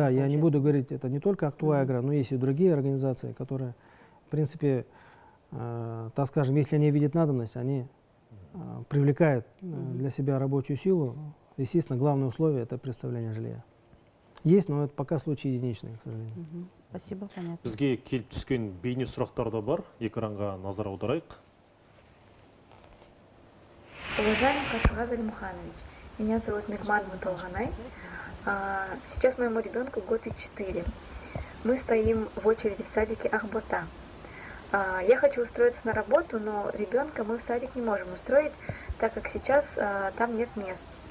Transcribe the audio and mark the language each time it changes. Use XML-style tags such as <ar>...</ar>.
<ru>Да, получается. Я не буду говорить, это не только Актуагро, но есть и другие организации, которые, в принципе, так скажем, если они видят надобность, они привлекают для себя рабочую силу. Естественно, главное условие – это предоставление жилья. Есть, но это пока случаи единичные, к сожалению. Спасибо, понятно.</ru> <kk>Бізге келіп түскен бейне сұрақтар да бар. Экранға назар аударайық.</kk> <ru>Уважаемый Қашығаз Алимханович, меня зовут Нигматова Толганай. Сейчас моему ребенку 1 год и 4. Мы стоим в очереди в садике Ахбота. Я хочу устроиться на работу, но ребенка мы в садик не можем устроить, так как сейчас там нет мест.</ru>